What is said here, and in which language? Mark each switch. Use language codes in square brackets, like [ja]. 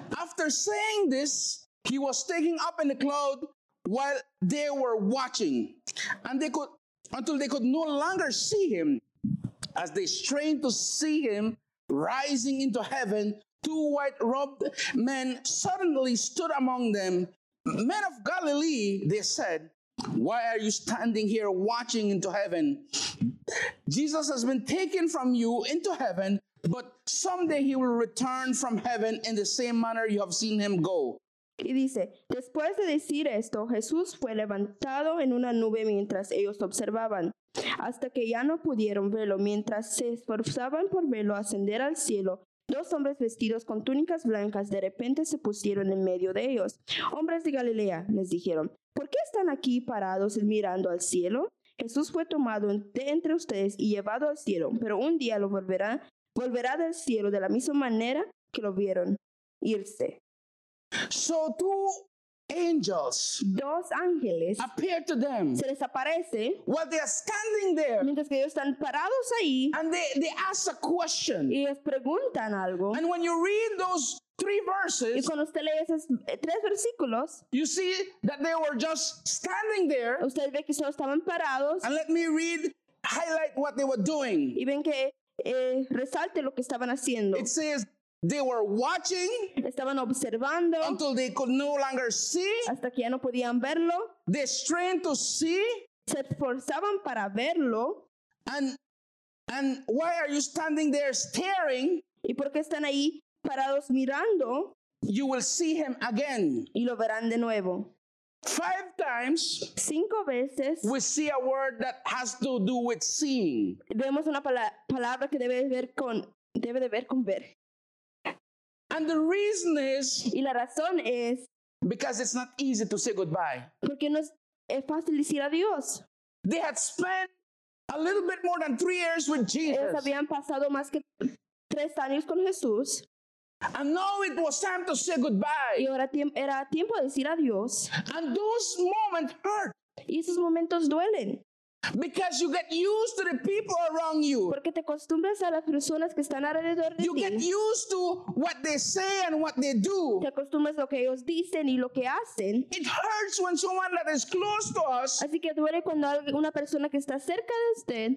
[en] After saying this, he was taken up in the cloud while they were watching, and they could, until they could no longer see him, as they strained to see him rising into heaven, two white-robed men suddenly stood among them. Men of Galilee, they said, why are you standing here watching into heaven? Jesus has been taken from you into heaven, but someday he will return from heaven in the same manner you have seen him go. [es] Y dice, después de decir esto, Jesús fue levantado en una nube mientras ellos observaban, hasta que ya no pudieron verlo. Mientras se esforzaban por verlo ascender al cielo, dos hombres vestidos con túnicas blancas de repente se pusieron en medio de ellos. Hombres de Galilea, les dijeron, ¿por qué están aquí parados mirando al cielo? Jesús fue tomado de entre ustedes y llevado al cielo, pero un día lo volverá del cielo de la misma manera que lo vieron irse. [en] So two angels, [es] dos ángeles, [en] appear to them. [es] Se les aparece [en] while they are standing there. [es] Mientras que ellos están parados ahí, [en] and they ask a question. [es] Y les preguntan algo. [en] And when you read those three verses, [es] y cuando usted lee esos tres versículos, [en] you see that they were just standing there. [es] Usted ve que solo estaban parados. [en] And let me read, highlight what they were doing. [es] Y ven que resalte lo que estaban haciendo. [en] It says, they were watching. [es] Estaban observando. [en] Until they could no longer see. [es] Hasta que ya no podían verlo. [en] They strained to see. [es] Se esforzaban para verlo. [en] And why are you standing there staring? [es] ¿Y por qué están ahí parados mirando? [en] You will see him again. [es] Y lo verán de nuevo. [en] Five times. [es] Cinco veces. [en] We see a word that has to do with seeing. [es] Vemos una palabra que debe de ver con ver. [en] And the reason is, [es] y la razón es, [en] because it's not easy to say goodbye. [es] Porque no es fácil decir adiós. [en] They had spent a little bit more than 3 years with Jesus. [es] Ellos habían pasado más que 3 años con Jesús. [en] And now it was time to say goodbye. [es] Y ahora era tiempo de decir adiós. [en] And those moments hurt. [es] Y esos momentos duelen. [en] Because you get used to the people around you. [es] Porque te acostumbras a las personas que están alrededor de ti. [en] You get used to what they say and what they do. [es] Te acostumbras a lo que ellos dicen y lo que hacen. [en] It hurts when someone that is close to us. [es] Así que duele cuando una persona que está cerca de usted